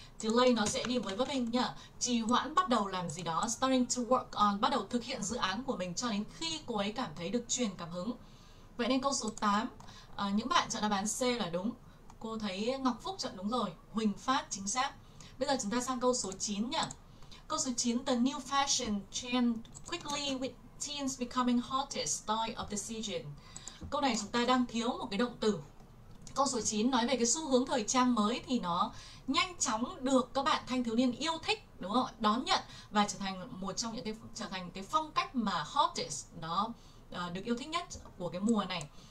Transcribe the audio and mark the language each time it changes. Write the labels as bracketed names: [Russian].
[Vietnamese] Delay nó sẽ đi với verb ing nhỉ. Trì hoãn bắt đầu làm gì đó, [English] starting to work on, [Vietnamese] bắt đầu thực hiện dự án của mình cho đến khi cô ấy cảm thấy được truyền cảm hứng. Vậy nên câu số 8, những bạn chọn đáp án C là đúng. Cô thấy Ngọc Phúc chọn đúng rồi, Huỳnh Phát chính xác. Bây giờ chúng ta sang câu số 9 nhỉ. Câu số 9, [English] the new fashion trend quickly with teens becoming hottest style of the season. [Vietnamese] Câu này chúng ta đang thiếu một cái động từ. Câu số 9 nói về cái xu hướng thời trang mới thì nó nhanh chóng được các bạn thanh thiếu niên yêu thích, đúng không? Đón nhận và trở thành một trong những cái trở thành cái phong cách mà hottest nó được yêu thích nhất của cái mùa này.